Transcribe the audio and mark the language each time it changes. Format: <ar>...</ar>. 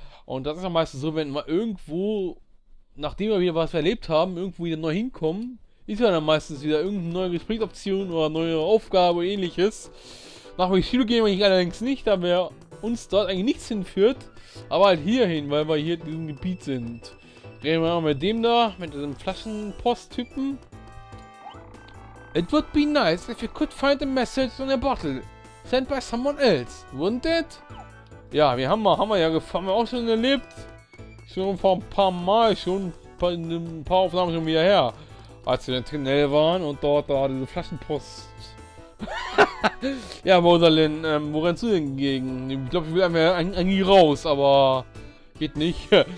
<de>Und das ist ja meistens so, wenn wir irgendwo, nachdem wir wieder was erlebt haben, irgendwo wieder neu hinkommen, ist ja dann meistens wieder irgendeine neue Gesprächsoption oder neue Aufgabe oder ähnliches. Nach dem Studio gehen wir hier allerdings nicht, da wir uns dort eigentlich nichts hinführt, aber halt hier hin, weil wir hier in diesem Gebiet sind. Reden wir mal mit dem da, mit diesem Flaschenposttypen.</de> <en>It would be nice if you could find a message on a bottle sent by someone else, wouldn't it?</en> <de>Ja, wir haben wir auch schon erlebt. Schon vor ein paar Mal, schon ein paar Aufnahmen schon wieder her. Als wir in Trinell waren und dort da diese Flaschenpost. Ja, Rosalind, wo rennst du denn gegen? Ich glaube, ich will einfach irgendwie raus, aber geht nicht.</de>